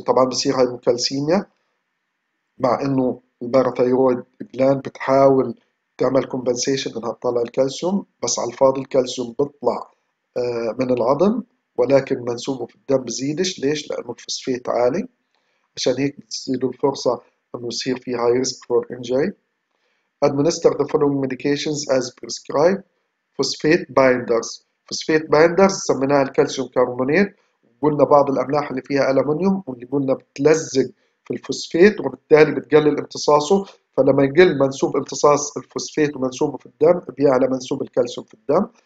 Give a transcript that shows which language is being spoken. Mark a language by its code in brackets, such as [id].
[ar] طبعا بصير هاي مكالسيميا، مع انه الباراثيرويد جلاند بتحاول تعمل كومبنسيشن انها تطلع الكالسيوم، بس على الفاضي الكالسيوم بيطلع من العظم ولكن منسوبه في الدم بزيدش. ليش؟ لانه الفوسفيت عالي، عشان هيك بتزيد الفرصه انه يصير في [en] High risk for injury. administer the following medications as prescribed. phosphate binders، phosphate binders [ar] سميناها الكالسيوم كربونات، وقلنا بعض الاملاح اللي فيها الومنيوم واللي قلنا بتلزق في الفوسفيت وبالتالي بتقلل امتصاصه، فلما يقل منسوب امتصاص الفوسفيت ومنسوبه في الدم بيعلى منسوب الكالسيوم في الدم.